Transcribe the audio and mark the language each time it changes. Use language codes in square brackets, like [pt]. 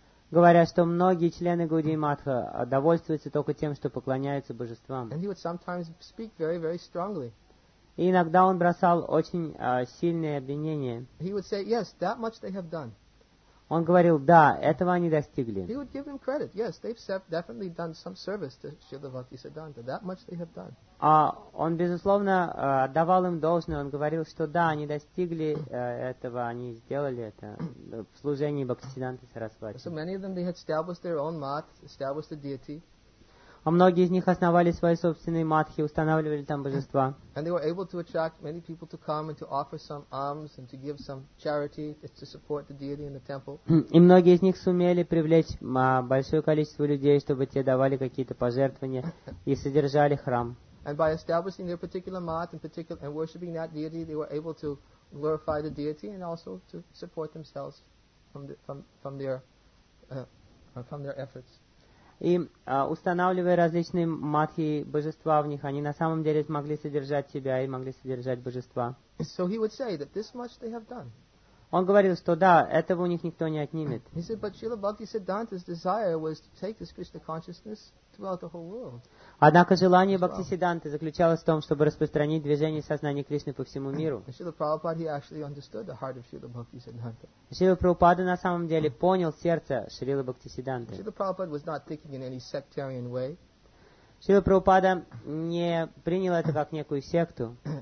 [ru] Говоря, что многие члены Гаудии Матха довольствуются только тем, что поклоняются божествам. И он иногда говорил очень сильно. И иногда он бросал очень сильные обвинения. [en] He would say, yes, that much they have done. [ru] Он говорил, да, этого они достигли. [en] He would give them credit. Yes, they've definitely done some service to Srila Bhakti Siddhanta. That much they have done. [ru] Он, безусловно, отдавал им должное. Он говорил, что да, они достигли этого, они сделали это в служении Бхакти Сиддханты Сарасвати. [en] So many of them, they had established their own math, established the deity. [ru] А многие из них основали свои собственные матхи, устанавливали там божества. [en] And they were able to attract many people to come and to offer some alms and to give some charity to support the deity in the temple. [ru] И многие из них сумели привлечь большое количество людей, чтобы те давали какие-то пожертвования и содержали храм. [en] And by establishing their particular mat and worshiping that deity, they were able to glorify the deity and also to support themselves from their efforts. [ru] И устанавливая различные матхи божества в них, они на самом деле смогли содержать себя и могли содержать божества. [en] So he would say that this much they have done. [ru] Он говорил, что да, этого у них никто не отнимет. [en] He said, but Srila Bhakti Siddhanta's desire was to take this Krishna consciousness throughout the whole world. [ru] Однако желание Бхакти Сидданты заключалось в том, чтобы распространить движение сознания Кришны по всему миру. [en] Srila Prabhupada, he actually understood the heart of Srila Bhakti Siddhanta. [ru] Srila Prabhupada на самом деле понял сердце Шрилы Бхакти Сидданты. [en] Srila Prabhupada was not thinking in any sectarian way. [ru] Шрила Прабхупада не принял это как некую секту.